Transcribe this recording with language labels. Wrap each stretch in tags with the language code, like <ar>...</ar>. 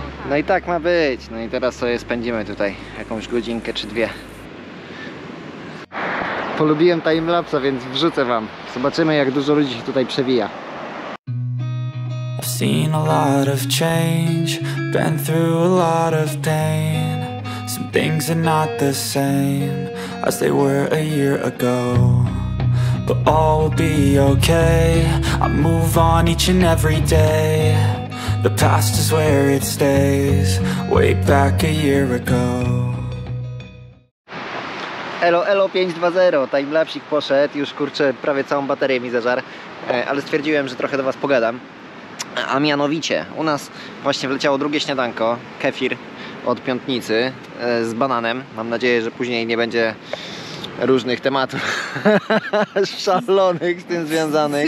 <pl>No i tak ma być. No i teraz sobie spędzimy tutaj jakąś godzinkę czy dwie. Polubiłem timelapsa, więc wrzucę wam. Zobaczymy, jak dużo ludzi się tutaj przewija.</pl> <en>I've seen a lot of change, been through a lot of pain. Some things are not the same as they were a year ago. But all will be okay, I move on each and every day. The past is where it stays, way back a year ago.</en> <pl>Elo, elo, 520, timelapsik poszedł, już kurczę, prawie całą baterię mi zażar, ale stwierdziłem, że trochę do was pogadam. A mianowicie, u nas właśnie wleciało drugie śniadanko, kefir od piątnicy z bananem. Mam nadzieję, że później nie będzie różnych tematów szalonych z tym związanych.</pl>